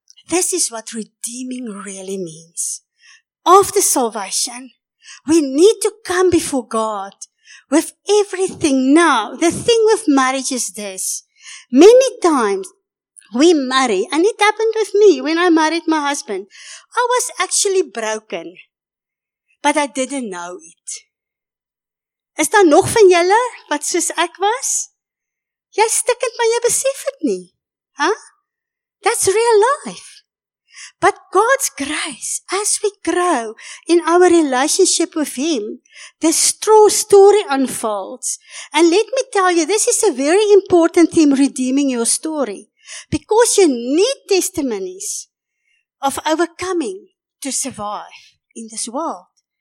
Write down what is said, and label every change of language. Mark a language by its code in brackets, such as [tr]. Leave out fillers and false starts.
[en] This is what redeeming really means. After salvation, we need to come before God with everything. Now, the thing with marriage is this. Many times we marry, and it happened with me when I married my husband. I was actually broken, but I didn't know it. [af] Is daar nog van julle wat soos ek was? Jy stikkend, maar jy besef het nie. [en] Huh? That's real life. But God's grace, as we grow in our relationship with Him, this true story unfolds. And let me tell you, this is a very important theme, redeeming your story. Because you need testimonies of overcoming to survive in this world.